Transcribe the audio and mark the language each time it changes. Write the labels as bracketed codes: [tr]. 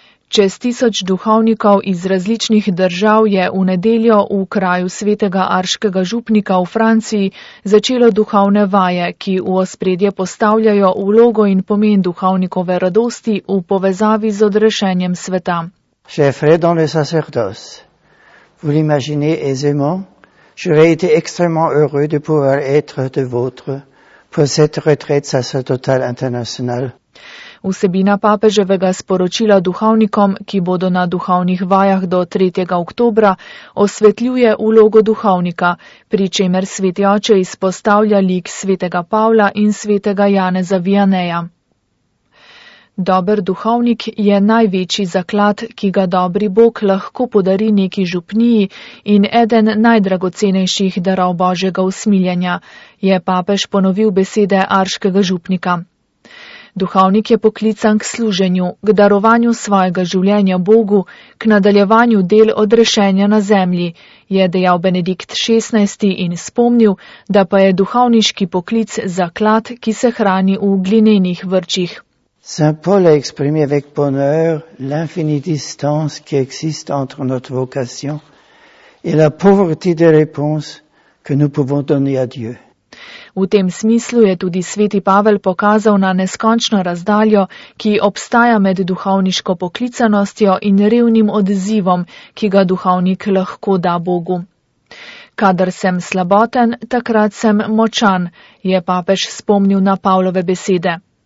[sl] Čez 1000 duhovnikov iz različnih držav je v nedeljo v kraju svetega arškega župnika v Franciji začelo duhovne vaje, ki v ospredje postavljajo vlogo in pomen duhovnikove radosti v povezavi z odrešenjem sveta. [fr] Je fred dans le sacerdoce. Vous l'imaginez aisément, j'aurais été extrêmement heureux de pouvoir être de votre pour cette retraite sacerdotale internationale. [sl] Vsebina papeževega sporočila duhovnikom, ki bodo na duhovnih vajah do 3. oktobra, osvetljuje vlogo duhovnika, pri čemer Sveti Oče izpostavlja lik svetega Pavla in svetega Janeza Vianeja. Dober duhovnik je največji zaklad, ki ga dobri Bog lahko podari neki župniji in eden najdragocenejših darov Božjega usmiljenja, je papež ponovil besede arškega župnika. Duhovnik je poklican k služenju, k darovanju svojega življenja Bogu, k nadaljevanju del odrešenja na zemlji, je dejal Benedikt XVI. In spomnil, da pa je duhovniški poklic zaklad, ki se hrani v glinenih vrčih. [fr] Saint Paul a exprimé avec bonheur l'infinie distance qui existe entre notre vocation et la pauvreté des réponses que nous pouvons donner à Dieu. [sl] V tem smislu je tudi sveti Pavel pokazal na neskončno razdaljo, ki obstaja med duhovniško poklicanostjo in revnim odzivom, ki ga duhovnik lahko da Bogu. Kadar sem slaboten, takrat sem močan, je papež spomnil na Pavlove besede.